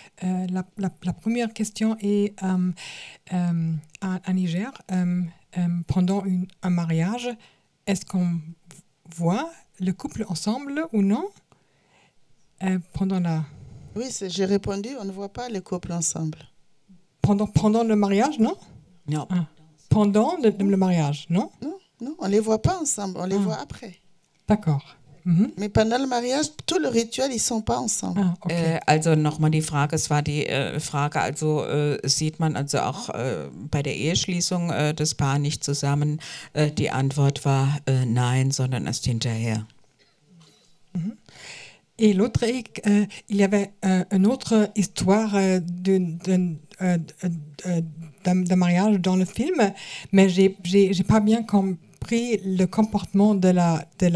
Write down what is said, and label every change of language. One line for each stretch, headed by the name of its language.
French: La première question est à Niger, pendant un mariage, est-ce qu'on voit le couple ensemble ou non pendant la... Oui, c'est, j'ai répondu, on ne voit pas le couple ensemble. Pendant le mariage, non? Non. Ah. Pendant le mariage, non? Non, on ne les voit pas ensemble, on les voit après. D'accord. Mais pendant le mariage, tout le rituel, ils sont pas ensemble. Ah, okay.
German: Also nochmal die Frage, es war die Frage, also sieht man also auch bei der Eheschließung das Paar nicht zusammen? Die Antwort war nein, sondern erst hinterher. Mm-hmm.
French: Et l'autre, il y avait une autre histoire de mariage dans le film, mais j'ai pas bien compris le comportement de la